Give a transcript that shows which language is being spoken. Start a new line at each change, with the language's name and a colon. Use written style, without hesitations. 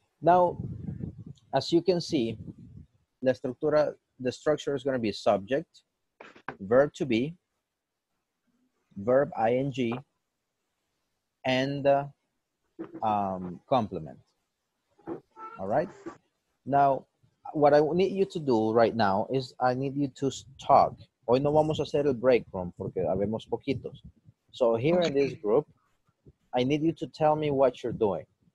English: Now, as you can see, la estructura, the structure is going to be subject, verb to be, verb ing, and complement. All right? Now, what I need you to do right now is I need you to talk.
Spanish: Hoy no vamos a hacer el break room porque habemos poquitos.
English: So here in this group, I need you to tell me what you're doing.